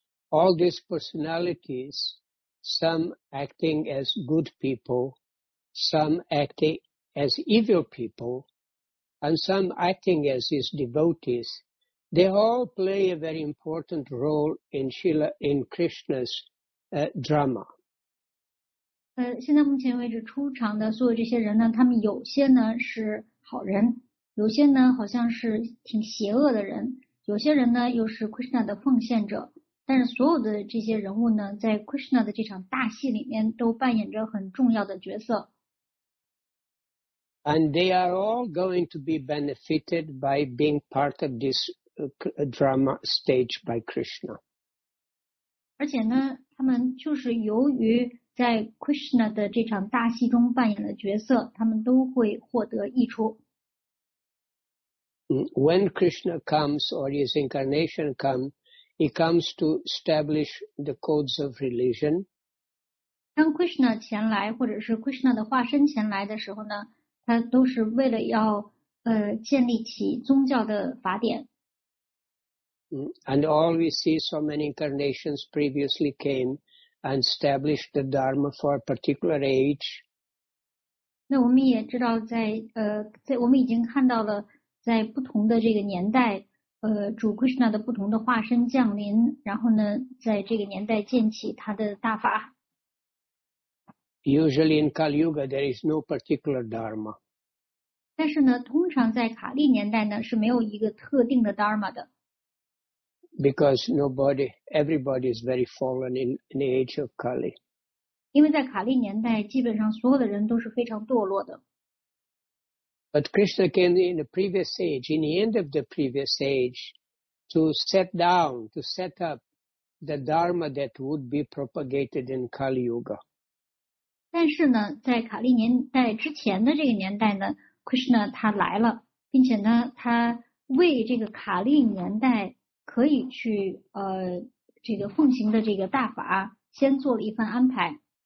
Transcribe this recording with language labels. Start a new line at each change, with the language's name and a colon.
English: All these personalities, some acting as good people, some acting as evil people, and some acting as his devotees, they all play a very important role in Shila in Krishna's。 Drama.
Chinese: 现在目前为止出场的所有这些人呢，他们有些呢是好人，有些呢好像是挺邪恶的人，有些人呢又是 Krishna 的奉献者。但是所有的这些人物呢，在 Krishna 的这场大戏里面都扮演着很重要的角色。
English: And they are all going to be benefited by being part of this drama stage by Krishna.
Chinese: 而且呢。他们就是由于在 Krishna 的这场大戏中扮演的角色，他们都会获得益处。
English: When Krishna comes or his incarnation comes, he comes to establish the codes of religion.
Chinese: 当 Krishna 前来，或者是 Krishna 的化身前来的时候呢，他都是为了要建立起宗教的法典。
English: And all we see so many incarnations previously came and established the Dharma for a particular age.
Chinese: 那我们也知道在我们已经看到了在不同的这个年代主 Krishna 的不同的化身降临，然后呢在这个年代建起他的大法。
English: Usually in Kali Yuga there is no particular Dharma.
Chinese: 但是呢通常在卡利年代呢是没有一个特定的 Dharma 的。
English: Because nobody, everybody is very fallen in the age of Kali.
Chinese: 因为在卡利年代，基本上所有的人都是非常堕落的。
English: But Krishna came in the previous age, in the end of the previous age, to set down, to set up the Dharma that would be propagated in Kali Yuga.
Chinese: 但是呢，在卡利年代之前的这个年代呢 ，Krishna 他来了，并且呢，他为这个卡利年代。可以去这个奉行的这个大法先做了一番安排。